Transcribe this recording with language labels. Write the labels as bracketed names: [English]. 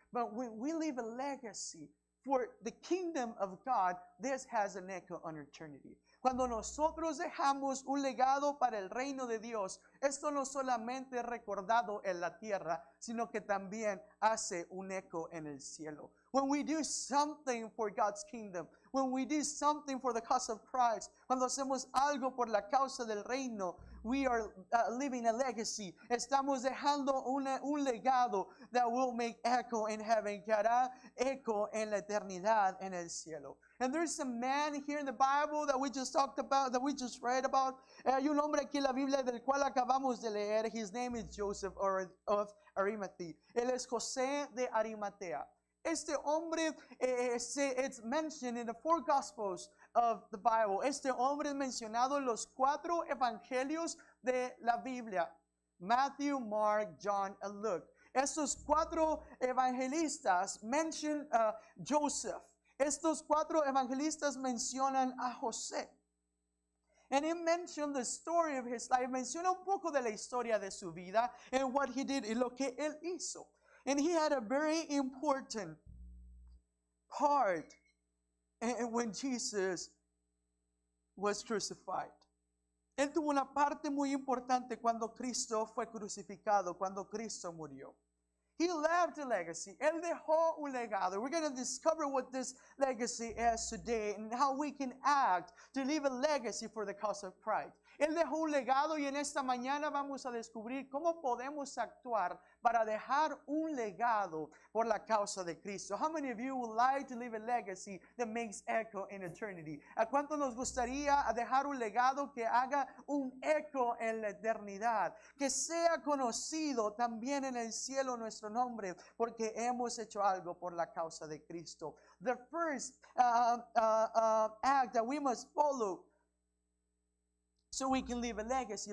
[English] But when we leave a legacy for the kingdom of God, this has an echo on eternity. [Spanish] Cuando nosotros dejamos un legado para el reino de Dios, esto no solamente es recordado en la tierra, sino que también hace un eco en el cielo. [English] When we do something for God's kingdom, when we do something for the cause of Christ, [Spanish] cuando hacemos algo por la causa del reino, [English] we are leaving a legacy. [Spanish] Estamos dejando un legado [English] that will make echo in heaven, [Spanish] que hará eco en la eternidad en el cielo. [English] And there's a man here in the Bible that we just talked about, that we just read about. [Spanish] Hay un hombre aquí en la Biblia del cual acabamos de leer. [English] His name is Joseph of Arimathea. [Spanish] Él es José de Arimatea. Este hombre, [English] it's mentioned in the four Gospels of the Bible. [Spanish] Este hombre es mencionado en los cuatro evangelios de la Biblia. Matthew, Mark, John, and Luke. Estos cuatro evangelistas [English] mention Joseph. [Spanish] Estos cuatro evangelistas mencionan a José. [English] And he mentioned the story of his life. [Spanish] Menciona un poco de la historia de su vida [English] and what he did [Spanish] y lo que él hizo. [English] And he had a very important part when Jesus was crucified. [Spanish] Él tuvo una parte muy importante cuando Cristo fue crucificado, cuando Cristo murió. [English] He left a legacy. [Spanish] Él dejó un legado. [English] We're going to discover what this legacy is today and how we can act to leave a legacy for the cause of Christ. [Spanish] Él dejó un legado y en esta mañana vamos a descubrir cómo podemos actuar para dejar un legado por la causa de Cristo. [English] How many of you would like to leave a legacy that makes echo in eternity? [Spanish] ¿A cuánto nos gustaría dejar un legado que haga un echo en la eternidad? Que sea conocido también en el cielo nuestro nombre porque hemos hecho algo por la causa de Cristo. [English] The first act that we must follow so we can leave a legacy.